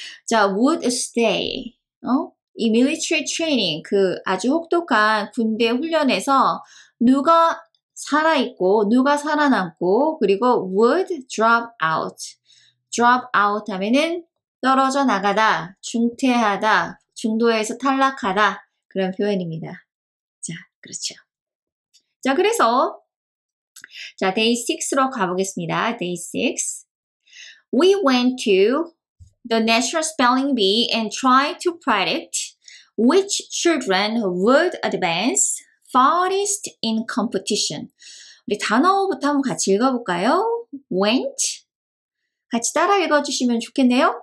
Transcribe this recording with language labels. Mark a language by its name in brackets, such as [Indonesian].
[Korean] 자, [English] would stay. [Korean] 이 military training, 그 아주 혹독한 군대 훈련에서 누가 살아있고, 누가 살아남고, 그리고 [English] would drop out. [Korean] drop out 하면은 떨어져 나가다, 중퇴하다, 중도에서 탈락하다. 그런 표현입니다. 자, 그렇죠. 자, 그래서, 자, day 6로 가보겠습니다. [English] day 6. We went to the National Spelling Bee and tried to predict which children would advance farthest in competition. [Korean] 우리 단어부터 한번 같이 읽어볼까요? [English] went. [Korean] 같이 따라 읽어주시면 좋겠네요.